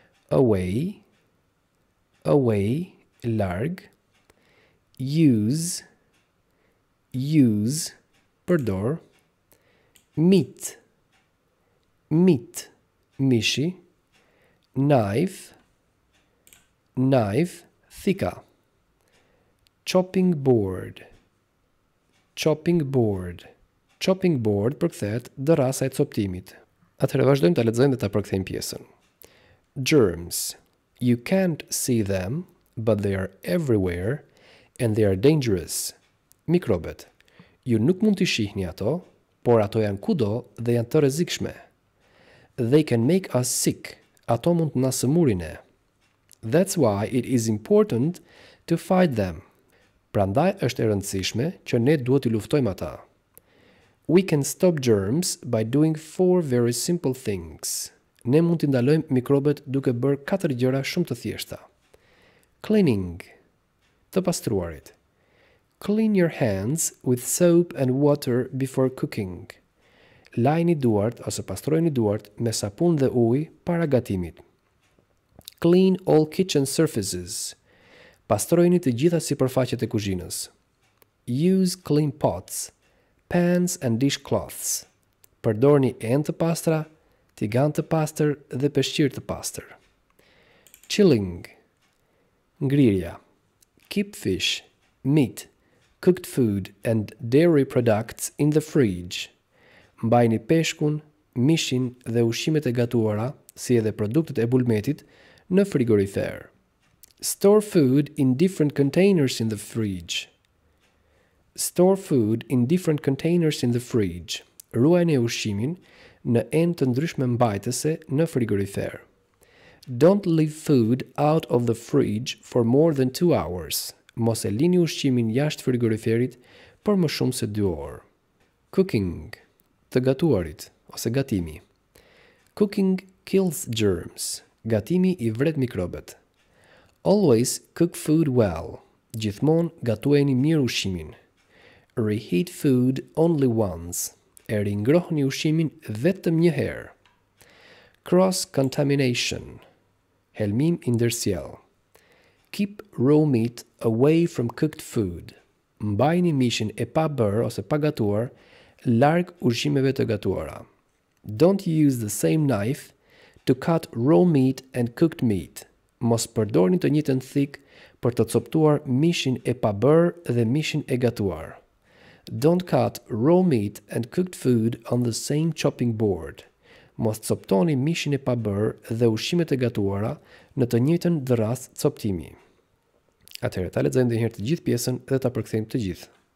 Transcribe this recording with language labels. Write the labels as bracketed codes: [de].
[en] Away. Away. Larg. Use. Use. Përdor. Meat. Meat. Mishi. Knife. Knife. Thika. Chopping board. Chopping board. [sq] Chopping board përkthehet dërasa e coptimit. Atëherë vazhdojmë ta lexojmë dhe ta përkthejmë pjesën. [en] Germs. You can't see them, but they are everywhere and they are dangerous. [sq] Mikrobet. Ju nuk mund t'i shihni ato, por ato janë kudo dhe janë të rrezikshme. [en] They can make us sick. [sq] Ato mund të na sëmurinë. [en] That's why it is important to fight them. [sq] Prandaj është e rëndësishme që ne duhet t'i luftojmë ata. [en] We can stop germs by doing four very simple things. [sq] Ne mund t'i ndalojmë mikrobet duke bërë katër gjëra shumë të thjeshta. Cleaning. Të pastruarit. [en] Clean your hands with soap and water before cooking. [sq] Lajni duart ose pastrojni duart me sapun dhe ujë para gatimit. [en] Clean all kitchen surfaces. [sq] Pastrojni të gjitha sipërfaqet e kuzhinës. [en] Use clean pots, pans and dishcloths. [sq] Përdorni enë të pastra, tigan të pastër dhe peshqir të pastër. Chilling. Ngrirja. [en] Keep fish, meat, cooked food and dairy products in the fridge. [sq] Mbajni peshkun, mishin dhe ushqimet e gatuara, si edhe produktet e bulmetit, në frigorifer. [en] Store food in different containers in the fridge. Store food in different containers in the fridge. [sq] Ruajni ushqimin në enë të ndryshme mbajtëse në frigorifer. [en] Don't leave food out of the fridge for more than 2 hours. [sq] Mos e lini ushqimin jashtë frigoriferit për më shumë se 2 orë. Cooking. Të gatuarit ose gatimi. [en] Cooking kills germs. [sq] Gatimi i vret mikrobet. [en] Always cook food well. [sq] Gjithmonë gatueni mirë ushqimin. [en] Reheat food only once. [sq] E ringrohni ushqimin vetëm një herë. [en] Cross contamination. [sq] Helmim ndërsjell. [en] Keep raw meat away from cooked food. [sq] Mbajni mishin e pa bërë ose pa gatuar larg ushqimeve të gatuara. [en] Don't use the same knife to cut raw meat and cooked meat. [sq] Mos përdorni të njëjtën thikë për të coptuar mishin e pa bërë dhe mishin e gatuar. [en] Don't cut raw meat and cooked food on the same chopping board. [sq] Mos coptoni mishin e pa bërë dhe ushqimet e gatuara në të njëjtën dhëras coptimi. Atëherë, ta lexojmë edhe një herë të gjithë pjesën dhe ta përkthejmë të gjithë.